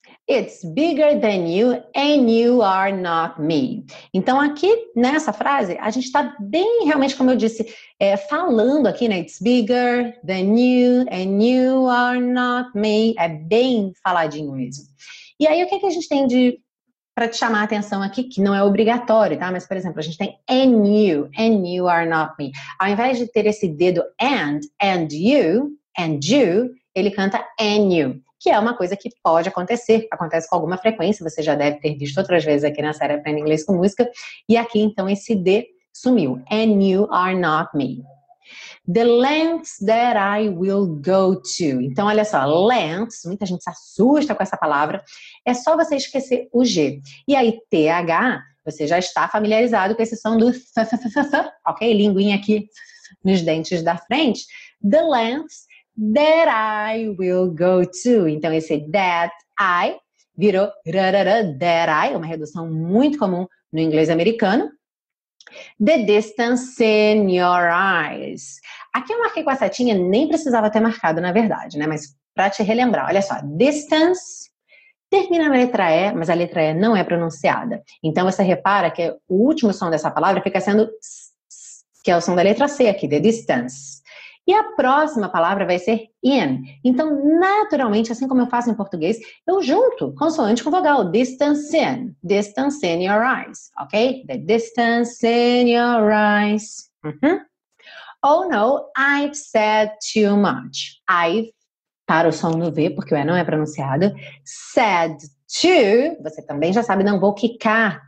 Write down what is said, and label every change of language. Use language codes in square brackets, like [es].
[en] It's bigger than you and you are not me. [pt] Então, aqui nessa frase, a gente está bem realmente, como eu disse, falando aqui, né? [en] It's bigger than you and you are not me. [pt] É bem faladinho mesmo. E aí, o que, que a gente tem para te chamar a atenção aqui, que não é obrigatório, tá? Mas, por exemplo, a gente tem [en] and you are not me. [pt] Ao invés de ter esse dedo and you, ele canta and you, que é uma coisa que pode acontecer, acontece com alguma frequência, você já deve ter visto outras vezes aqui na série Aprenda Inglês com Música, e aqui então esse D sumiu, [en] and you are not me. The lengths that I will go to. [pt] Então olha só, lengths, muita gente se assusta com essa palavra, é só você esquecer o G. E aí TH, você já está familiarizado com esse som do f, ok? Linguinha aqui nos dentes da frente. [en] The lengths that I will go to. [pt] Então, esse [en] that I [pt] virou rarara, that I, uma redução muito comum no inglês americano. [en] The distance in your eyes. [pt] Aqui eu marquei com a setinha, nem precisava ter marcado, na verdade, né? Mas para te relembrar, olha só. Distance termina na letra E, mas a letra E não é pronunciada. Então, você repara que o último som dessa palavra fica sendo s, que é o som da letra C aqui, [en] the distance. [pt] E a próxima palavra vai ser in. Então, naturalmente, assim como eu faço em português, eu junto consoante com vogal. [en] Distance in your eyes. Ok? The distance in your eyes. Uh-huh. Oh no, I've said too much. [pt] I've, para o som no V, porque o E não é pronunciado. [en] Said to, [pt] você também já sabe, não vou quicar.